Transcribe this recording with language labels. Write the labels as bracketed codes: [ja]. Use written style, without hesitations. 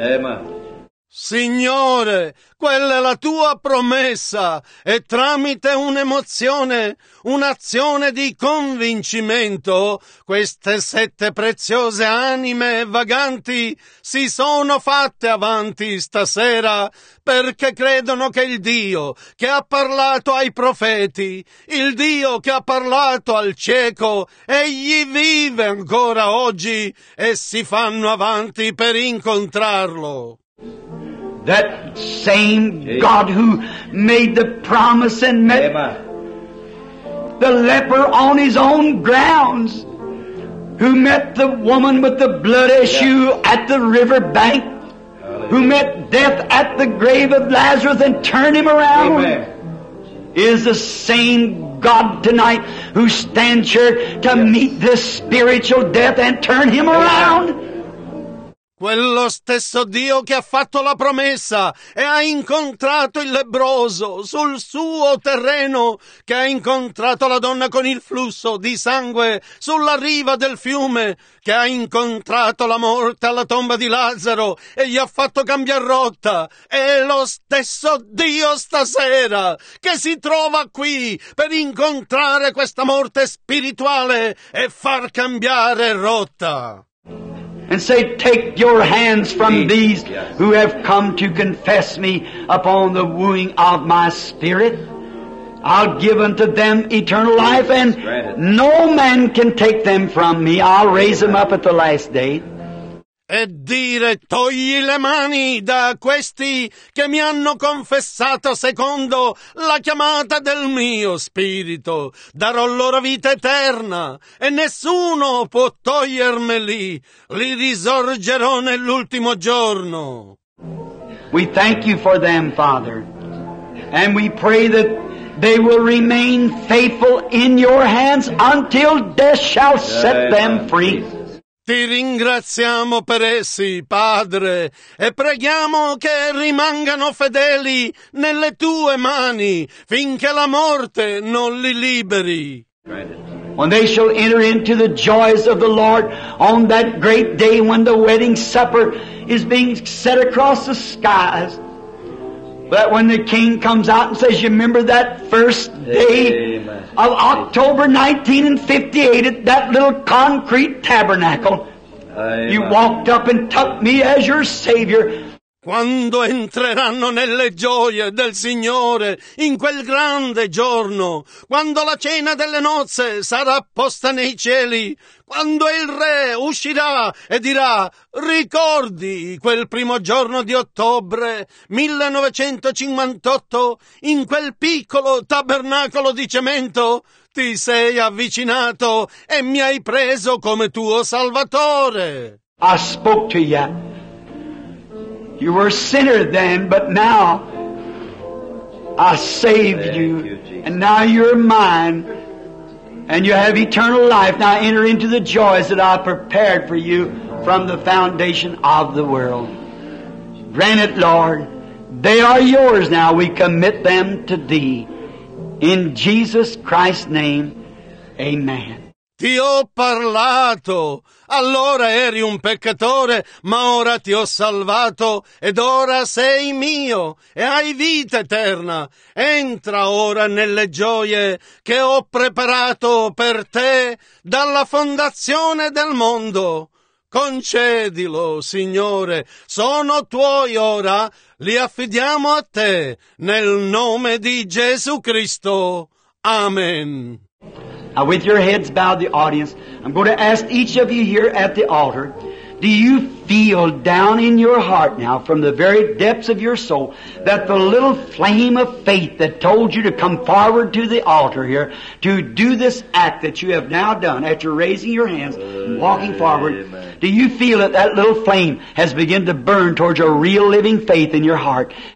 [en] Amen. [it] Signore, quella è la tua promessa, e tramite un'emozione, un'azione di convincimento, queste sette preziose anime vaganti si sono fatte avanti stasera, perché credono che il Dio che ha parlato ai profeti, il Dio che ha parlato al cieco, egli vive ancora oggi e si fanno avanti per incontrarlo. [en] That same God who made the promise and met the leper on his own grounds, who met the woman with the blood issue at the river bank, who met death at the grave of Lazarus and turned him around, is the same God tonight who stands here to meet this spiritual death and turn him around. [it] Quello stesso Dio che ha fatto la promessa e ha incontrato il lebbroso sul suo terreno, che ha incontrato la donna con il flusso di sangue sulla riva del fiume, che ha incontrato la morte alla tomba di Lazzaro e gli ha fatto cambiare rotta, è lo stesso Dio stasera che si trova qui per incontrare questa morte spirituale e far cambiare rotta. [en] And say, take your hands from these who have come to confess me upon the wooing of my spirit. I'll give unto them eternal life, and no man can take them from me. I'll raise them up at the last day. [it] E dire, togli le mani da questi che mi hanno confessato secondo la chiamata del mio spirito. Darò loro vita eterna e nessuno può togliermeli. Li risorgerò nell'ultimo giorno. [en] We thank you for them, Father, and we pray that they will remain faithful in your hands until death shall set them free. [it] Ti ringraziamo per essi, Padre, e preghiamo che rimangano fedeli nelle Tue mani finché la morte non li liberi. [en] When they shall enter into the joys of the Lord on that great day when the wedding supper is being set across the skies, but when the King comes out and says, you remember that first day of October 1958 at that little concrete tabernacle? You walked up and took me as your Savior. [it] Quando entreranno nelle gioie del Signore in quel grande giorno, quando la cena delle nozze sarà posta nei cieli, quando il Re uscirà e dirà, ricordi quel primo giorno di ottobre 1958 in quel piccolo tabernacolo di cemento, ti sei avvicinato e mi hai preso come tuo Salvatore. [en] I spoke to you. You were a sinner then, but now I saved you, and now you're mine, and you have eternal life. Now enter into the joys that I prepared for you from the foundation of the world. Grant it, Lord. They are yours now. We commit them to Thee. In Jesus Christ's name, amen. [it] Ti ho parlato, allora eri un peccatore, ma ora ti ho salvato, ed ora sei mio, e hai vita eterna. Entra ora nelle gioie che ho preparato per te dalla fondazione del mondo. Concedilo, Signore, sono tuoi ora, li affidiamo a te, nel nome di Gesù Cristo. Amen. [en] Now with your heads bowed, the audience, I'm going to ask each of you here at the altar, do you feel down in your heart now from the very depths of your soul that the little flame of faith that told you to come forward to the altar here to do this act that you have now done after raising your hands and walking forward, do you feel that that little flame has begun to burn towards a real living faith in your heart?